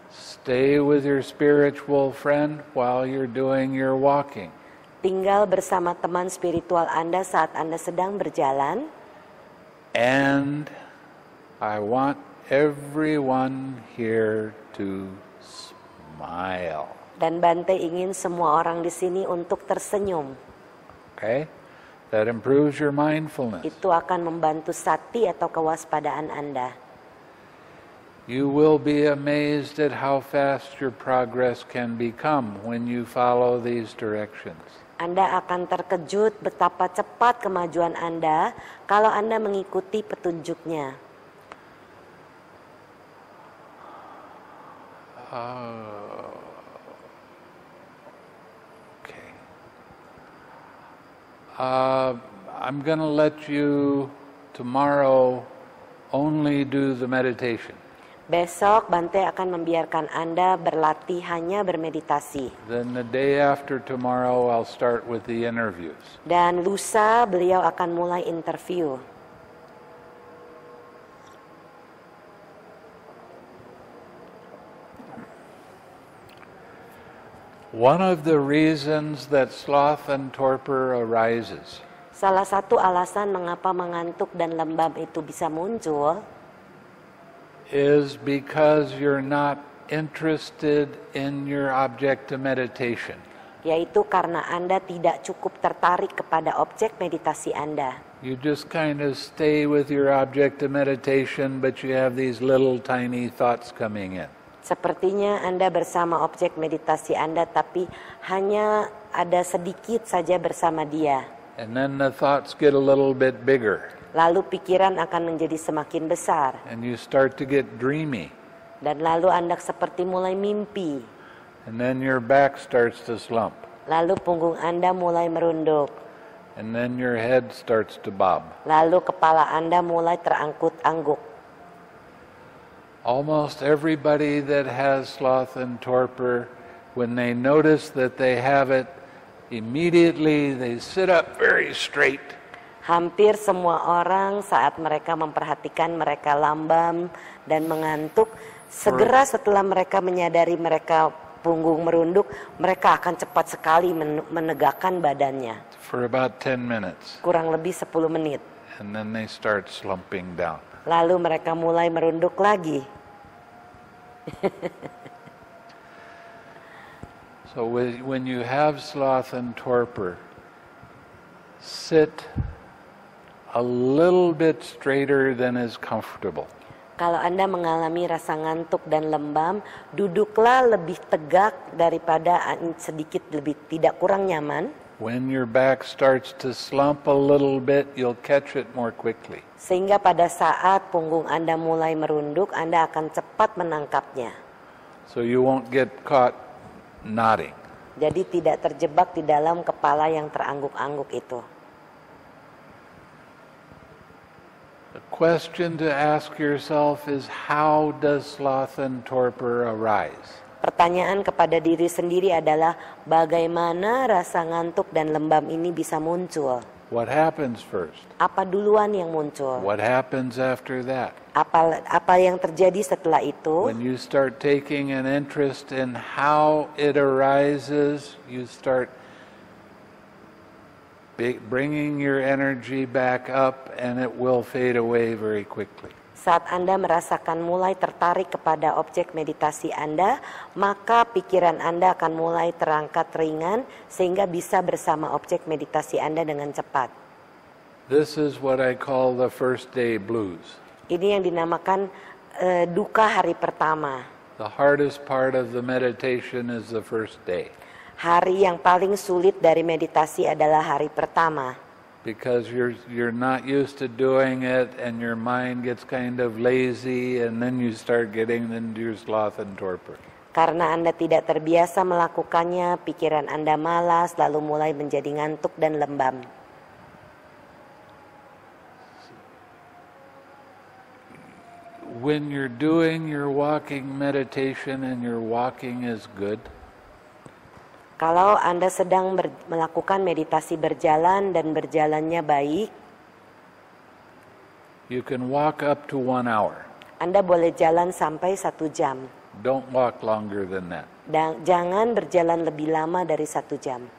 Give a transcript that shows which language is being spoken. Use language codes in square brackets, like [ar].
[en] Stay with your spiritual friend while you're doing your walking. [id] Tinggal bersama teman spiritual Anda saat Anda sedang berjalan. [en] And I want everyone here to smile. [id] Dan Bhante ingin semua orang di sini untuk tersenyum. [en] Okay? That improves your mindfulness. [id] Itu akan membantu sati atau kewaspadaan Anda. [en] You will be amazed at how fast your progress can become when you follow these directions. [id] Anda akan terkejut betapa cepat kemajuan Anda kalau Anda mengikuti petunjuknya. [en] Okay. I'm going to let you tomorrow only do the meditation. [id] Besok Bhante akan membiarkan Anda berlatih hanya bermeditasi. [en] Then the day after tomorrow I'll start with the interviews. [id] Dan lusa beliau akan mulai interview. [en] One of the reasons that sloth and torpor arises. [id] Salah satu alasan mengapa mengantuk dan lembab itu bisa muncul [en] is because you're not interested in your object to meditation. [id] Yaitu karena Anda tidak cukup tertarik kepada objek meditasi Anda. [en] You just kind of stay with your object to meditation, but you have these little tiny thoughts coming in. [id] Sepertinya Anda bersama objek meditasi Anda, tapi hanya ada sedikit saja bersama dia. [en] And then the thoughts get a little bit bigger. [id] Lalu pikiran akan menjadi semakin besar. [en] And you start to get dreamy. [id] Dan lalu Anda seperti mulai mimpi. [en] And then your back starts to slump. [id] Lalu punggung Anda mulai merunduk. [en] And then your head starts to bob. [id] Lalu kepala Anda mulai terangkut-angguk. [en] Almost everybody that has sloth and torpor, when they notice that they have it, immediately they sit up very straight. [id] Hampir semua orang saat mereka memperhatikan mereka lambam dan mengantuk, segera setelah mereka menyadari mereka punggung merunduk, mereka akan cepat sekali menegakkan badannya. [en] For about 10 minutes. [id] Kurang lebih 10 menit. [en] And then they start slumping down. [id] Lalu mereka mulai merunduk lagi. [en] So when you have sloth and torpor, sit a little bit straighter than is comfortable. [id] Kalau Anda mengalami rasa ngantuk dan lembam, duduklah lebih tegak daripada sedikit lebih tidak kurang nyaman. [en] When your back starts to slump a little bit, you'll catch it more quickly. [id] Sehingga pada saat punggung Anda mulai merunduk, Anda akan cepat menangkapnya. [en] So you won't get caught nodding. [id] Jadi tidak terjebak di dalam kepala yang terangguk-angguk itu. [en] The question to ask yourself is, how does sloth and torpor arise? [id] Pertanyaan kepada diri sendiri adalah, bagaimana rasa ngantuk dan lembam ini bisa muncul? [en] What happens first? [id] Apa duluan yang muncul? [en] What happens after that? [id] Apa yang terjadi setelah itu? [en] When you start taking an interest in how it arises, you start bringing your energy back up and it will fade away very quickly. [id] Saat Anda merasakan mulai tertarik kepada objek meditasi Anda, maka pikiran Anda akan mulai terangkat ringan sehingga bisa bersama objek meditasi Anda dengan cepat. [en] This is what I call the first day blues. [id] Ini yang dinamakan duka hari pertama. [en] The hardest part of the meditation is the first day. [id] Hari yang paling sulit dari meditasi adalah hari pertama. [en] Because you're not used to doing it and your mind gets kind of lazy and then you start getting into your sloth and torpor. [id] Karena Anda tidak terbiasa melakukannya, pikiran Anda malas, lalu mulai menjadi ngantuk dan lembam. [en] When you're doing your walking meditation and your walking is good, [id] kalau Anda sedang melakukan meditasi berjalan dan berjalannya baik, [en] you can walk up to 1 hour. [id] Anda boleh jalan sampai 1 jam. [en] Don't walk longer than that. [id] Jangan berjalan lebih lama dari 1 jam.